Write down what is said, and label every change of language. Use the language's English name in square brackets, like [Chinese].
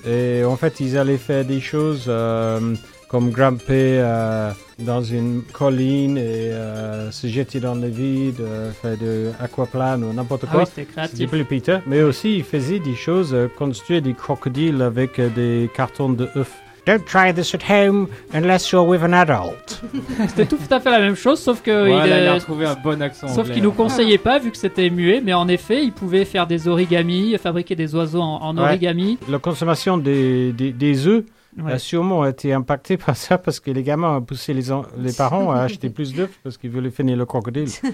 [French] Et en fait, ils allaient faire des choses comme grimper dans une colline et se jeter dans le vide, faire de aquaplane ou n'importe quoi. Ah oui, c'était créatif. C'était plus Peter. Mais aussi, il faisait des choses, construire des crocodiles avec des cartons de œufs. [English] Don't try this at home unless you're with an adult. [French] C'était tout à fait la même chose, sauf que voilà, il a trouvé un bon accent anglais. Sauf qu'il nous conseillait pas, vu que c'était muet, mais en effet, il pouvait faire des origamis, fabriquer des oiseaux en origami. Ouais. La consommation des œufs. Ouais. A sûrement été impacté par ça parce que les gamins ont poussé les parents à acheter plus d'œufs parce qu'ils voulaient finir le crocodile.